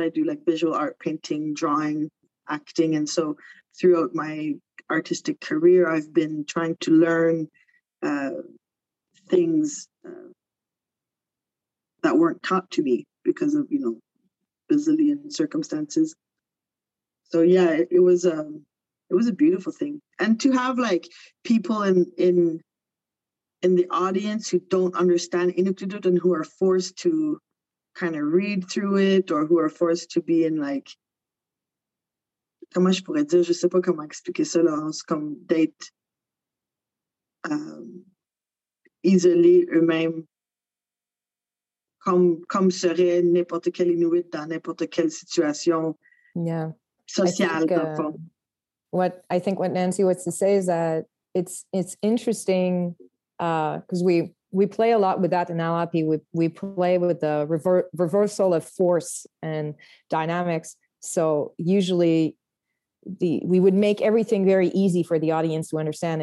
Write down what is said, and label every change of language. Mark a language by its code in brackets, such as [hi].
[en] I do like visual art, painting, drawing, acting. And so throughout my artistic career, I've been trying to learn things that weren't taught to me because of, bazillion circumstances. So yeah, it was a beautiful thing. And to have like people in the audience who don't understand Inuktitut and who are forced to kind of read through it or who are forced to be in like, [fr] comment je pourrais dire, je sais pas comment expliquer ça, Laurence, comme d'être isolés eux-mêmes, comme serait n'importe quel Inuit dans n'importe quelle situation sociale. [en] Yeah. I think what Nancy wants to say is that it's interesting because we play a lot with that in Alapi. We play with the reversal of force and dynamics. So usually we would make everything very easy for the audience to understand.